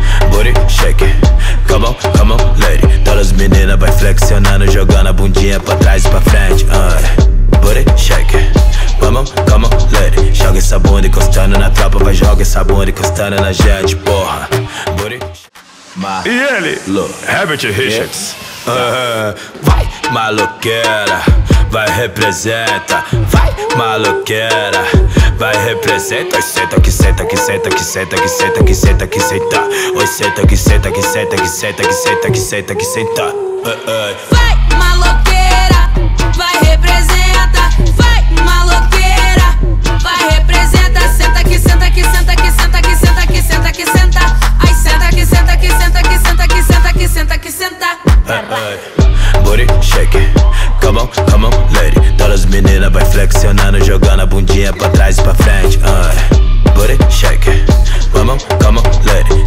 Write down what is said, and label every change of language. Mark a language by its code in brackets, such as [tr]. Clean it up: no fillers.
[en] Booty shake, come on, come on, lady. [pt] Todas as meninas vai flexionando, jogando a bundinha pra trás e pra frente. [en] Booty shake, come on, come on, lady. [pt] Joga essa bunda encostando na tropa, vai, joga essa bunda encostando na gente, porra. Booty shake. E ele? Herbert Richards. Vai, maloqueira, vai, representa. Vai, maloqueira, vai, representa. Oi, senta, que senta, que senta, que senta, que senta, que senta, que senta. Oi, senta, que senta, que senta, que senta, que senta, que senta, que senta. Vai, maloqueira, vai, representa. Vai, maloqueira, vai, representa. Senta, que senta, que senta, que senta, que senta, que senta, que senta. Ai, senta, que senta, que senta, que senta, que senta, que senta, que senta. [en] Booty shake, come on, come on, lady. [pt] Todas as meninas vai flexionando, jogando a bundinha pra trás e pra frente. [en] Booty shake, come on, come on, lady.